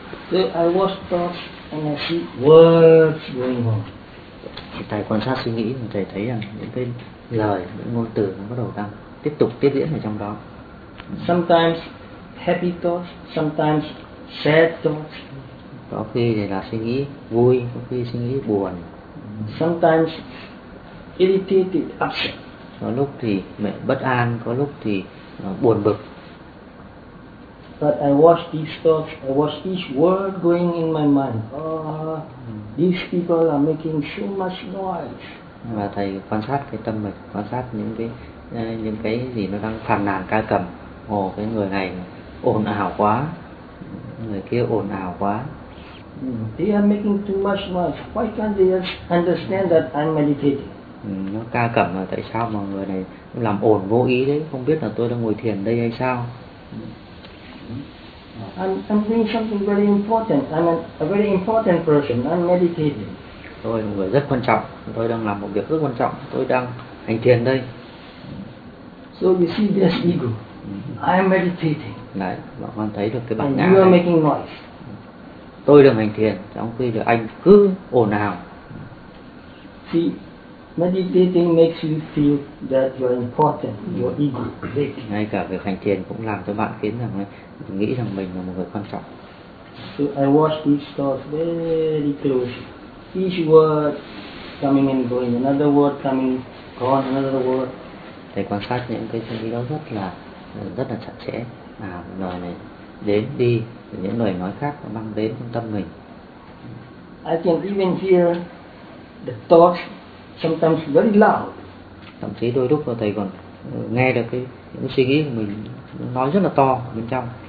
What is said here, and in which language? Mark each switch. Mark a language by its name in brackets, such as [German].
[English] So I watch thoughts and I see words going on. [Vietnamese] Thầy quan sát suy nghĩ, thầy thấy rằng những cái lời, những ngôn từ nó bắt đầu đang tiếp tục tiếp diễn ở trong đó. [English] Sometimes happy thoughts, sometimes sad thoughts. [Vietnamese] Có khi là suy nghĩ vui, có khi suy nghĩ buồn. [English] Sometimes irritated, upset. [Vietnamese] Có lúc thì mẹ bất an, có lúc thì buồn bực. [English] But I watch these thoughts, I watch each word going in my mind. These people are making so much noise. [Vietnamese] Và thầy quan sát cái tâm mình, quan sát những cái gì nó đang phàn nàn ca cầm. Ồ, cái người này ồn ào quá, người kia ồn ào quá. [English] They are making too much noise. Why can't they understand that I'm meditating? [Vietnamese] Nó ca cầm là tại sao mà người này làm ồn vô ý đấy, không biết là tôi đang ngồi thiền đây hay sao. [English] I'm doing something very important. I'm a very important person. I'm meditating. [Vietnamese] Tôi là một người rất quan trọng. Tôi đang làm một việc rất quan trọng. Tôi đang hành thiền đây. [English] So you see this ego. I'm meditating. [Vietnamese] Đấy, bạn quan thấy được cái bản ngã. [English] And you are making noise. [Vietnamese] Tôi đang hành thiền, trong khi là anh cứ ồn ào. [English] See, meditating makes you feel that you're important. Your ego big. [Vietnamese] Ngay cả việc hành thiền cũng làm cho bạn khiến rằng nghĩ rằng mình là một người quan trọng. [English] So I watch these thoughts very closely. Each word coming and going, another word coming, gone, another word. [Vietnamese] Thầy quan sát những cái suy nghĩ đó rất là chặt chẽ. À, lời này đến đi, những lời nói khác nó mang đến trong tâm mình. [English] I can even hear the thoughts sometimes very loud. [Vietnamese] Thậm chí đôi lúc thầy còn nghe được cái những suy nghĩ của mình nói rất là to bên trong.